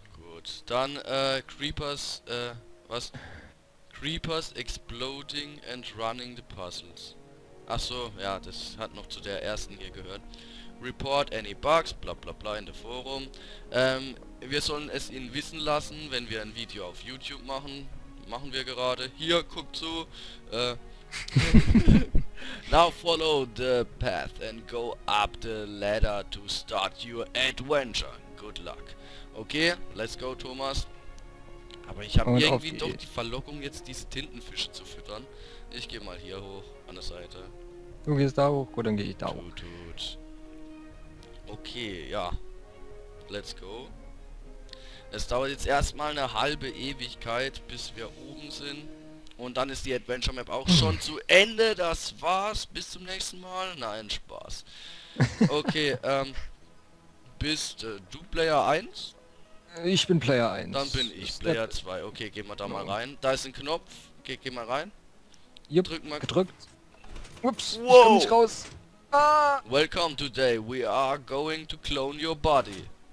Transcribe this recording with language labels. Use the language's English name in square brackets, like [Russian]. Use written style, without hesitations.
[German] Gut, dann [English] Creepers. [German] Was? [English] Creepers exploding and running the puzzles. [German] Ach so, ja, das hat noch zu der ersten hier gehört. [English] Report any bugs, bla bla bla in the Forum. [German] Wir sollen es ihnen wissen lassen, wenn wir ein Video auf YouTube machen. Machen wir gerade. Hier, guck zu. [English] Now follow the path and go up the ladder to start your adventure. Good luck. Okay, let's go, Thomas. [German] Aber ich habe irgendwie doch die Verlockung, jetzt diese Tintenfische zu füttern. Ich gehe mal hier hoch, an der Seite. Du gehst da hoch, gut, dann gehe ich da hoch. [English] Tut. Okay, ja. Let's go. [German] Es dauert jetzt erstmal eine halbe Ewigkeit, bis wir oben sind. Und dann ist die Adventure Map auch schon zu Ende. Das war's. Bis zum nächsten Mal. Nein, Spaß. Okay, bist du Player 1? Ich bin Player 1. Dann bin ich Player 2. Okay, gehen wir da mal rein. Da ist ein Knopf. Geh mal rein. Jupp, drück mal. Gedrückt. Ups, ich komm nicht raus. Ah. [English] Welcome today, we are going to clone your body.